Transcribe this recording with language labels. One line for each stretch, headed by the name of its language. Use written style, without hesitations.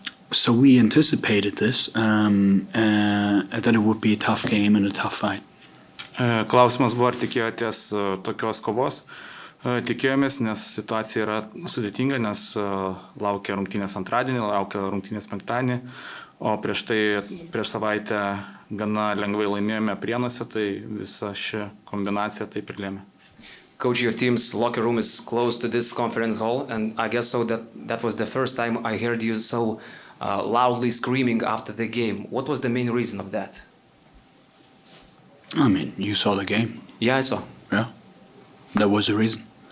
English: So we anticipated this, that it would be a tough game and a tough fight.
Lithuanian: Klausimas buvo, ar tikėjotės tokios kovos? Tikėjomės, nes situacija yra sudėtinga, nes laukia rungtynės antradienį, laukia rungtynės penktadienį, o prieš tai, prieš savaitę gana lengvai laimėjome Prienuose, tai visa ši kombinacija taip ir lėmė.
English: Coach, your team's locker room is close to this conference hall, and I guess so that was the first time I heard you so loudly screaming after the game. What was the main reason of that? I mean, you saw the game. Yeah, I saw. Yeah, that was the reason.